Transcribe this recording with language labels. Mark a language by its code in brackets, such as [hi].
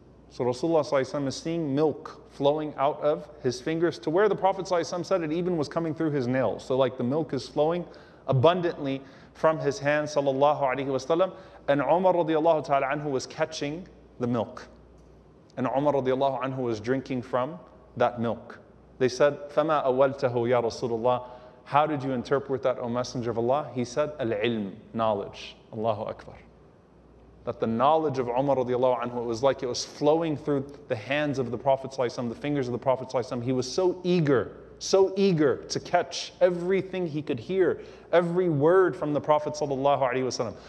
[en] So Rasulullah ﷺ is seeing milk flowing out of his fingers to where the Prophet ﷺ said it even was coming through his nails. So like the milk is flowing abundantly from his hand, sallallahu alayhi wasallam, and Umar radiallahu ta'ala anhu was catching the milk. And Umar radiallahu anhu was drinking from that milk. They said, [ar] فَمَا أَوَلْتَهُ يَا رَسُولُ اللَّهِ. [en] How did you interpret that, O Messenger of Allah? He said, العلم, knowledge. Allahu Akbar. That the knowledge of Umar radiallahu anhu, it was like it was flowing through the hands of the Prophet sallallahu alayhi wa sallam, the fingers of the Prophet sallallahu alayhi wa sallam. He was so eager to catch everything he could hear, every word from the Prophet sallallahu alayhi wa sallam.